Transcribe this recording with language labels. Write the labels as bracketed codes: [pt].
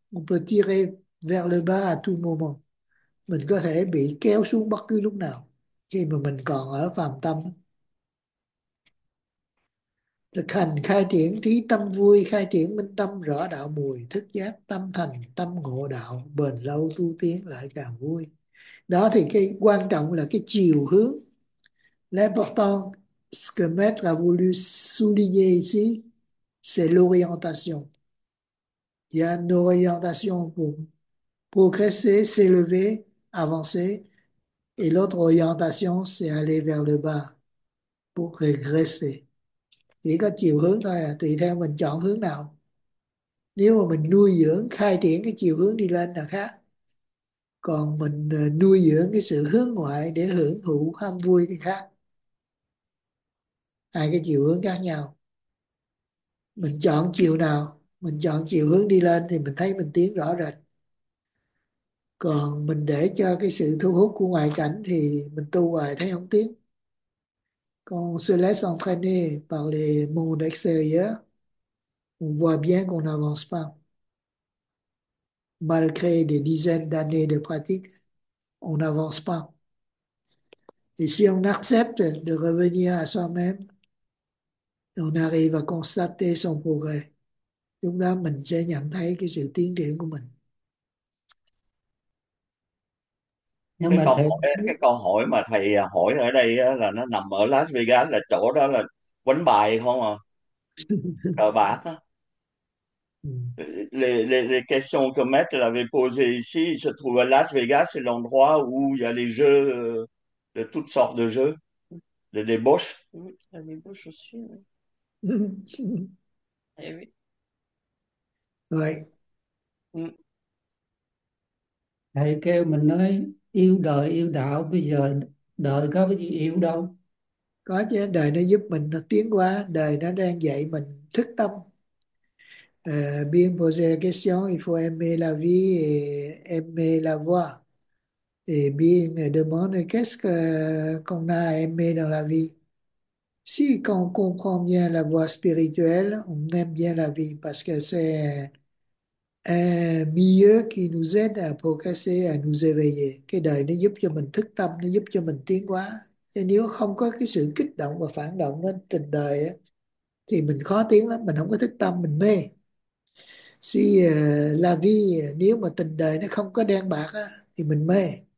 [fr] On peut tirer vers le bas à tout moment. [vi] Mình có thể bị kéo xuống bất cứ lúc nào khi mà mình còn ở phàm tâm. Thực hành khai triển trí tâm vui, khai triển minh tâm rõ đạo mùi, thức giác tâm thành, tâm ngộ đạo, bền lâu tu tiến lại càng vui. Đó thì cái quan trọng là cái chiều hướng. [fr] L'important, ce que Maître a voulu souligner ici, c'est l'orientation. Il y a une orientation pour progresser, s'élever, avancer, Et l'autre orientation, c'est aller vers le bas pour régresser. [vi] Chỉ có chiều hướng thôi à, tùy theo mình chọn hướng nào. Nếu mà mình nuôi dưỡng, khai triển cái chiều hướng đi lên là khác. Còn mình nuôi dưỡng cái sự hướng ngoại để hưởng thụ ham vui thì khác. Hai cái chiều hướng khác nhau. Mình chọn chiều nào, mình chọn chiều hướng đi lên thì mình thấy mình tiến rõ rệt. Còn mình để cho cái sự thu hút của ngoại cảnh thì mình tu hoài thấy không tiến. [fr] Quand on se laisse entraîner par les mondes extérieurs, on voit bien qu'on n'avance pas. Malgré des dizaines d'années de pratique, on n'avance pas. Et si on accepte de revenir à soi-même, on arrive à constater son progrès. [vi] Lúc đó mình sẽ nhận thấy cái sự tiến triển của mình. Nếu Cái mà câu thầy hỏi mà thầy hỏi ở đây là nó nằm ở Las Vegas, là chỗ đó là quánh bài không à, cờ bạc á. [fr] Les questions que maître l'avait posé ici se trouvent à Las Vegas, c'est l'endroit où il y a les jeux, de toutes sortes de jeux, de débauches. Oui, la bouche aussi. Eh Ouais. oui. [vi] Thầy kêu mình nói yêu đời yêu đạo, bây giờ đời có cái gì yêu đâu. Có chứ, đời nó giúp mình nó tiến hóa, đời nó đang dạy mình thức tâm. [fr] Bien poser la question, il faut aimer la vie et aimer la voie. Et bien demander qu'est-ce qu'on a aimé dans la vie. Si qu'on comprend bien la voie spirituelle, on aime bien la vie parce que c'est un milieu qui nous aide à progresser, à nous éveiller. [vi] Cái đời nó giúp cho mình thức tâm, nó giúp cho mình tiến hóa. Nếu không có cái sự kích động và phản động lên trên đời ấy, thì mình khó tiến lắm, mình không có thức tâm, mình mê. [fr] La vie, [vi] nếu mà tình đời nó không có đen bạc á, thì mình mê.